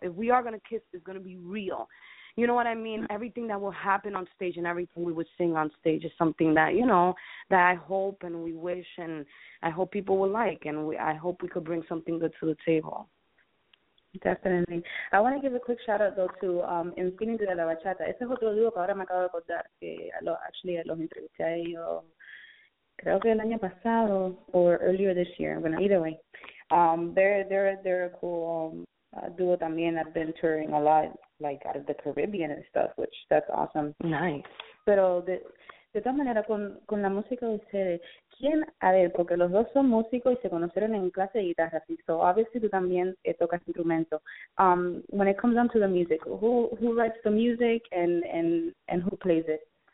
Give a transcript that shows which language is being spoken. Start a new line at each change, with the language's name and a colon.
English: If we are going to kiss, it's going to be real. You know what I mean? Everything that will happen on stage and everything we would sing on stage is something that, you know, that I hope and we wish and I hope people will like. And I hope we could bring something good to the table. Definitely. I want to give a quick shout out though to Infinity de la Bachata.
Spanish: Ese es otro dúo que ahora me acabo de acordar, que los entrevisté a ellos. Creo que el año pasado
English: or earlier this year, but either way, they're a cool duo también. I've been touring a lot, like out of the Caribbean and stuff, which that's awesome. Nice.
Spanish: Pero De todas maneras, con la música de ustedes, ¿quién, a ver, porque los dos son músicos y se conocieron en clase de guitarra, así,
English: so obviously
Spanish: tú también tocas instrumento.
English: When it comes down to the music, who writes the music and who plays it?